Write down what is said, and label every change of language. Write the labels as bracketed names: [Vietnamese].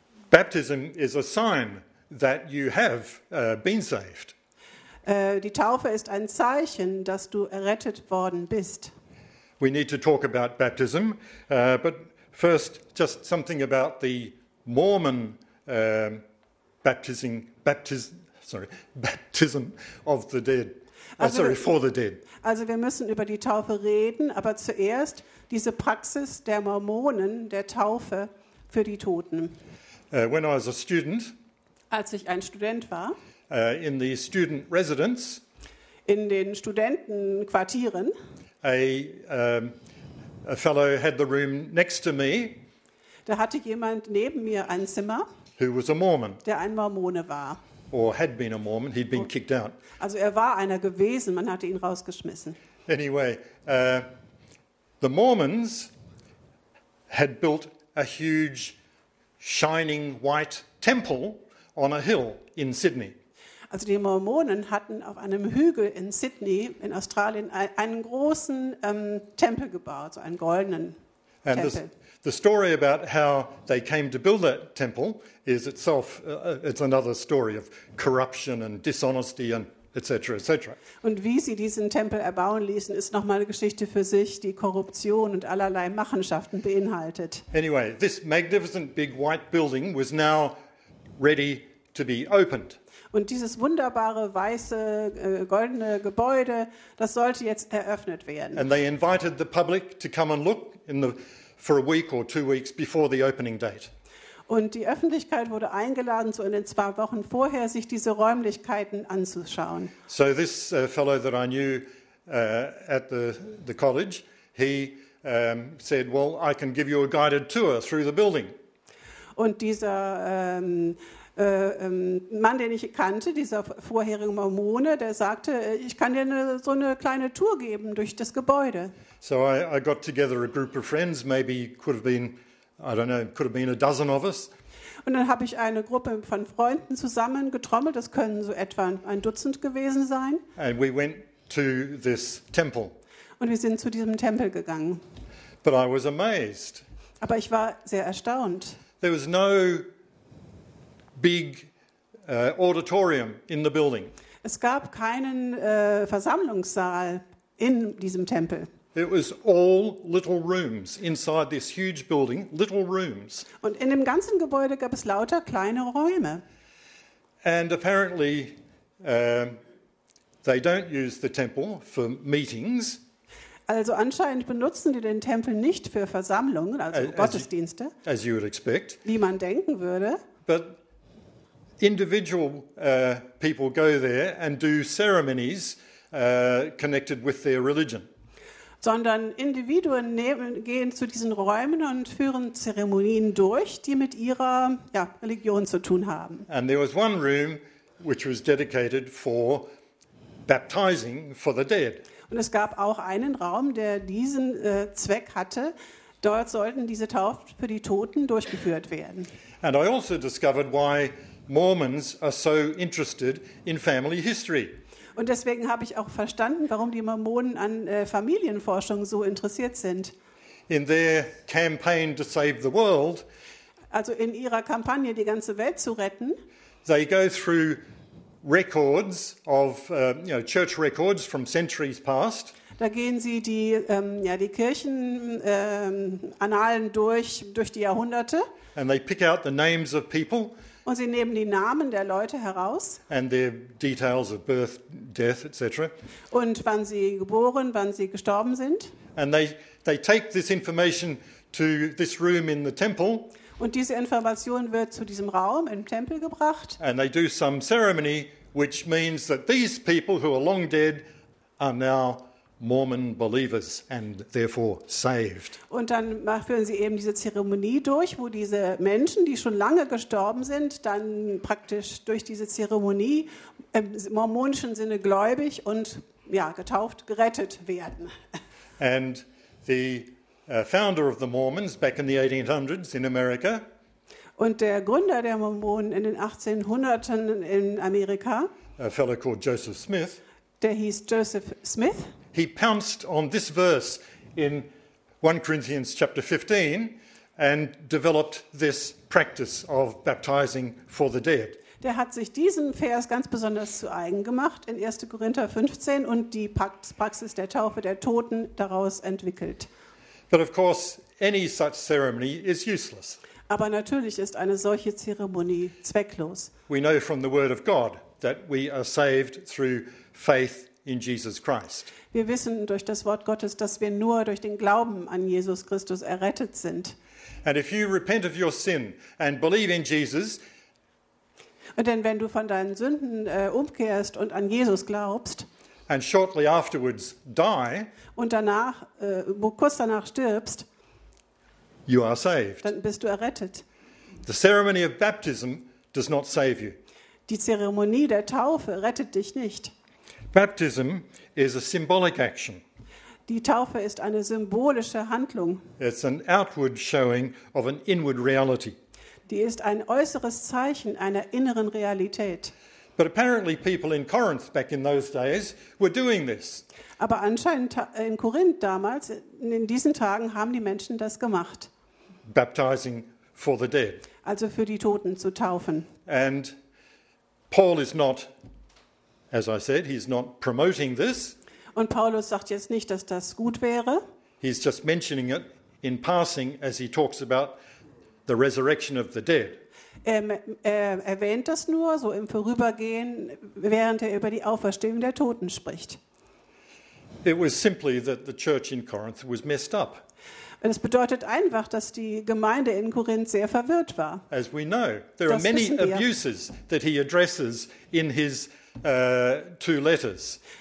[English] Baptism is a sign that you have been saved. [German] Die Taufe ist ein Zeichen, dass du errettet worden bist. [English] We need to talk about baptism, but first just something about the Mormon baptism of the dead. For the dead. [German] Also wir müssen über die Taufe reden, aber zuerst diese Praxis der Mormonen, der Taufe für die Toten. [English] When I was a student. [German] Als ich ein Student war. [English] In the student residence, [German] in den Studentenquartieren, [English] a fellow had the room next to me. [German] Da hatte jemand neben mir ein Zimmer. [English] Who was a Mormon? [German] Der ein Mormone war. [English] Or had been a Mormon. He'd been kicked out. [German] Also er war einer gewesen. Man hatte ihn rausgeschmissen. [English] Anyway, the Mormons had built a huge, shining white temple on a hill in Sydney. [German] Also die Mormonen hatten auf einem Hügel in Sydney in Australien einen großen Tempel gebaut, so einen goldenen [English] and [German] Tempel. [English] The story about how they came to build that temple is itself it's another story of corruption and dishonesty and etc. etc. [German] Und wie sie diesen Tempel erbauen ließen, ist nochmal eine Geschichte für sich, die Korruption und allerlei Machenschaften beinhaltet. [English] Anyway, this magnificent big white building was now ready to be opened. [German] Und dieses wunderbare, weiße, goldene Gebäude, das sollte jetzt eröffnet werden. [English] And they invited the public to come and look for a week or 2 weeks before the opening date. [German] Und die Öffentlichkeit wurde eingeladen, so in den 2 Wochen vorher, sich diese Räumlichkeiten anzuschauen. [English] So this fellow that I knew at the college, he said, well, I can give you a guided tour through the building. [German] Und dieser Mann, den ich kannte, dieser vorherige Mormone, der sagte, ich kann dir so eine kleine Tour geben durch das Gebäude. [English] So I got together a group of friends, maybe could have been, I don't know, could have been a dozen of us. [German] Und dann habe ich eine Gruppe von Freunden zusammen getrommelt. Das können so etwa ein Dutzend gewesen sein. [English] And we went to this temple. [German] Und wir sind zu diesem Tempel gegangen. [English] But I was amazed. [German] Aber ich war sehr erstaunt. [English] There was no big auditorium in the building. [German] Es gab keinen Versammlungssaal in diesem Tempel. [English] It was all little rooms inside this huge building, little rooms. [German] Und in dem ganzen Gebäude gab es lauter kleine Räume. [English] And apparently they don't use the temple for meetings. [German] Also anscheinend benutzen die den Tempel nicht für Versammlungen, also Gottesdienste. [English] As you would expect. [German] Wie man denken würde. [English] But individual people go there and do ceremonies connected with their religion. [German] Sondern Individuen gehen zu diesen Räumen und führen Zeremonien durch, die mit ihrer Religion zu tun haben. [English] And there was one room which was dedicated for baptizing for the dead. [German] Und es gab auch einen Raum, der diesen Zweck hatte. Dort sollten diese Taufen für die Toten durchgeführt werden. [English] And I also discovered why Mormons are so interested in family history. [German] Und deswegen habe ich auch verstanden, warum die Mormonen an Familienforschung so interessiert sind. [English] In their campaign to save the world, [German] also in ihrer Kampagne, die ganze Welt zu retten, [English] they go through records of church records from centuries past. [German] Da gehen sie die die Kirchen Annalen durch die Jahrhunderte. [English] And they pick out the names of people. [German] Und sie nehmen die Namen der Leute heraus. [English] And their details of birth, death, etc. [German] Und wann sie geboren, wann sie gestorben sind. [English] And they take this information to this room in the temple. [German] Und diese Information wird zu diesem Raum im Tempel gebracht. [English] And they do some ceremony, which means that these people who are long dead are now Mormon believers and therefore saved. [German] Und dann führen sie eben diese Zeremonie durch, wo diese Menschen, die schon lange gestorben sind, dann praktisch durch diese Zeremonie im mormonischen Sinne gläubig und getauft, gerettet werden. [English] And the founder of the Mormons back in the 1800s in America. [German] Und der Gründer der Mormonen in den 1800ern in Amerika. [English] A fellow called Joseph Smith. [German] Der hieß Joseph Smith. [English] He pounced on this verse in 1 Corinthians chapter 15 and developed this practice of baptizing for the dead. [German] Der hat sich diesen Vers ganz besonders zu eigen gemacht in 1. Korinther 15 und die Praxis der Taufe der Toten daraus entwickelt. [English] But of course, any such ceremony is useless. [German] Aber natürlich ist eine solche Zeremonie zwecklos. [English] We know from the word of God that we are saved through faith in Jesus Christ. [German] Wir wissen durch das Wort Gottes, dass wir nur durch den Glauben an Jesus Christus errettet sind. [English] And if you repent of your sin and believe in Jesus, [German] und denn wenn du von deinen Sünden umkehrst und an Jesus glaubst, [English] and shortly afterwards die, [German] und danach kurz danach stirbst, [English] you are saved. [German] Dann bist du errettet. [English] The ceremony of baptism does not save you. [German] Die Zeremonie der Taufe rettet dich nicht. [English] Baptism is a symbolic action. [German] Die Taufe ist eine symbolische Handlung. [English] It's an outward showing of an inward reality. [German] Die ist ein äußeres Zeichen einer inneren Realität. [English] But apparently people in Corinth back in those days were doing this. [German] Aber anscheinend in Korinth damals, in diesen Tagen, haben die Menschen das gemacht. [English] Baptizing for the dead. [German] Also für die Toten zu taufen. [English] And Paul is not, as I said, he's not promoting this. [German] Und Paulus sagt jetzt nicht, dass das gut wäre. [English] He's just mentioning it in passing as he talks about the resurrection of the dead. [German] Er erwähnt das nur so im Vorübergehen, während er über die Auferstehung der Toten spricht. [English] It was simply that the church in Corinth was messed up. [German] Es bedeutet einfach, dass die Gemeinde in Korinth sehr verwirrt war. [English] As we know, there [German] das [English] are many abuses that he addresses in his two letters.